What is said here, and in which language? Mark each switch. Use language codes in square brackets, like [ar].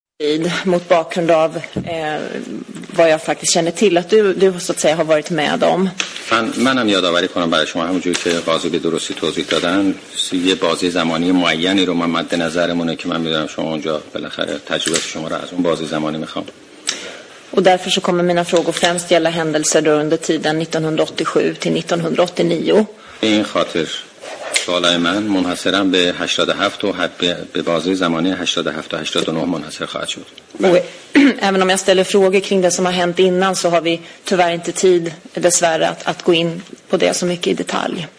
[sv] tid mot bakgrund av vad jag faktiskt känner till att du så att säga har varit med om. [fa] منم یادآوری کنم برای شما همونجوری که قاضی به درستی توضیح دادن یه بازه زمانی معینی رو من مد نظرمونه که من میدونم شما اونجا بالاخره تجربه شما رو از اون بازه زمانی میخوام. [sv] Och därför så kommer mina frågor främst gälla händelser under tiden 1987 till 1989. [fa] این خاطر سوالای من منحصرا به 87 و به بازه زمانی 87 تا 89 منحصر خواهد شد. [sv] Även om jag ställer frågor kring det som har hänt innan så har vi tyvärr inte tid dessvärre att gå in på det så mycket i detalj.